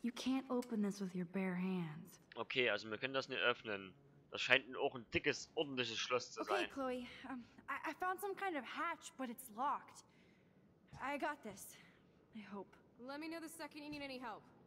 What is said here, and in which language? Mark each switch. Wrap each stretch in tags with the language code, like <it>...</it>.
<en>You can't open this with your bare hands.</en> <de>Okay, also wir können das nicht öffnen. Das scheint auch ein dickes, ordentliches Schloss zu sein.</de> <en>Okay, Chloe. I found some kind of hatch, but it's locked. I got this. I hope. Let me know the second you need any help.</en>